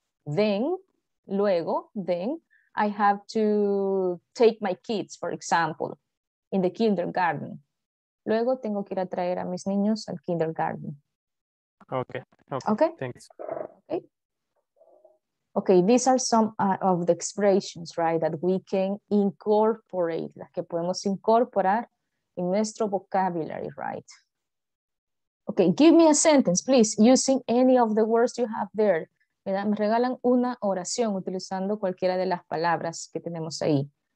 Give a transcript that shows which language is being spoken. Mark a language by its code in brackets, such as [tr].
[en] Then, luego, then, I have to take my kids, for example, in the kindergarten. [es] Luego tengo que ir a traer a mis niños al kindergarten. [en] Okay. Thanks. Okay, these are some of the expressions, right, that we can incorporate, [es] las que podemos incorporar en nuestro [en] vocabulary, right? Okay, give me a sentence, please, using any of the words you have there. [es] Me regalan una oración utilizando cualquiera de las palabras que tenemos ahí.